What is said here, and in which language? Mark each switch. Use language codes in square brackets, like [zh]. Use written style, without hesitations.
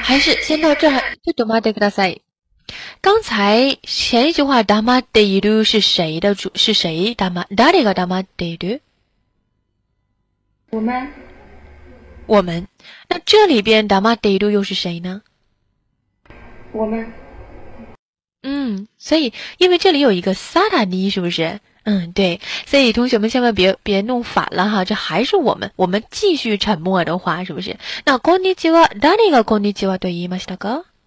[zh] 还是先到这儿， [ja] ちょっと待ってください。 [zh] 刚才前一句话黙っている是谁的主？是谁黙？ [ja] 誰が黙っている？ [zh] 我们。那这里边黙っている又是谁呢？我们。所以因为这里有一个サラニ，是不是？对。所以同学们千万别弄反了哈，这还是我们继续沉默的话，是不是？ [ja] 那こんにちは、誰がこんにちはと言いましたか？